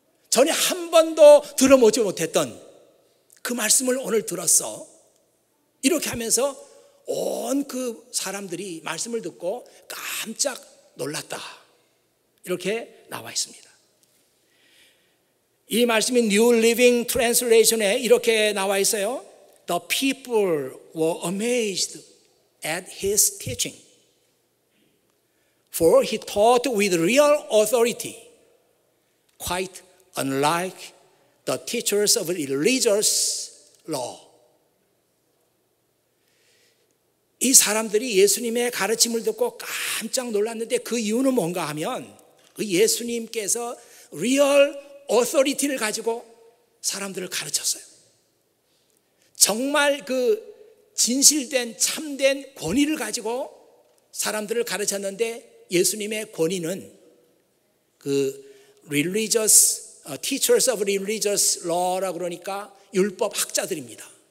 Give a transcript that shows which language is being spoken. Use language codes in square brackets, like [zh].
[ko] 전에 한 번도 들어보지 못했던 그 말씀을 오늘 들었어. 이렇게 하면서 온 그 사람들이 말씀을 듣고 깜짝 놀랐다. 이렇게 나와 있습니다. 이 말씀인 New Living Translation에 이렇게 나와 있어요. [en] The people were amazed at his teaching. For he taught with real authority. Quite unlike the teachers of religious law. [ko] 이 사람들이 예수님의 가르침을 듣고 깜짝 놀랐는데 그 이유는 뭔가 하면 그 예수님께서 [en] real authority [ko] 를 가지고 사람들을 가르쳤어요. 정말 그 진실된 참된 권위를 가지고 사람들을 가르쳤는데 예수님의 권위는 그 [en] religious teachers of religious law [ko] 라고 그러니까 율법 학자들입니다.